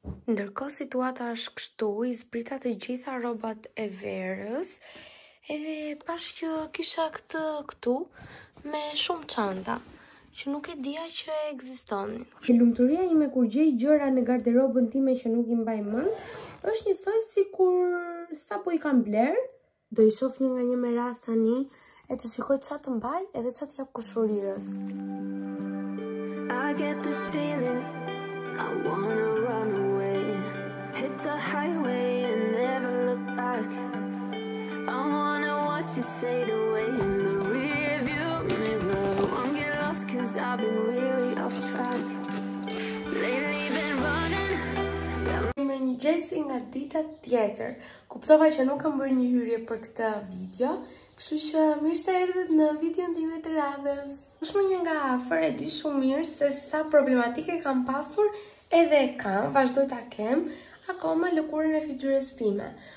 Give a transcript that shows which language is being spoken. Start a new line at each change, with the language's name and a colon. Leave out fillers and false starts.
Albanian: Ndërkohë situata është kështu, i zbrita të gjitha rrobat e verës, edhe pash që kisha këtë këtu me shumë çanta, që nuk e dija që ekzistonin. Që lumturia ime kur gjej gjëra në garderobën time që nuk i mbaj mend, është njësoj si kur sapo i kam bler, do i shoh një nga një me radhë tani, e të shikoj çfarë të mbaj edhe çfarë të jap kushurirës.
English: I get this feeling, I wanna run away. Hit the highway and never look back. I wanna watch it fade away in the rearview mirror. Won't get lost cause I've been really off track. Lately been running.
Albanian: Mëngjes nga dita tjetër. Kuptova që nuk kam bërë një hyrje për këtë video, kështu që mirë se erdhët në videon time të radhës. Shumë një nga afër e di shumë mirë se sa problematike kam pasur. Edhe kam, vazhdoj ta kem, akoma lëkurën e fytyrës time.